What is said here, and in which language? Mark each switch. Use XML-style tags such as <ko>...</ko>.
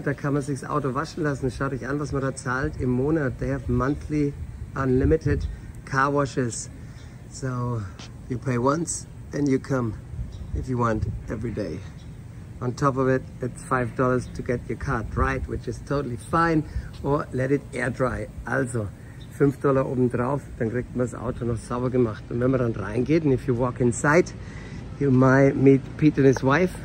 <de>Da kann man sich das Auto waschen lassen. Schaut euch an, was man da zahlt im Monat.</de> <en>They have monthly unlimited car washes. So you pay once and you come if you want every day. On top of it, it's $5 to get your car dried, which is totally fine, or let it air dry.</en> <de>Also, $5 obendrauf, dann kriegt man das Auto noch sauber gemacht. Und wenn man dann reingeht,</de> <en>and if you walk inside, you might meet Pete and his wife.</en>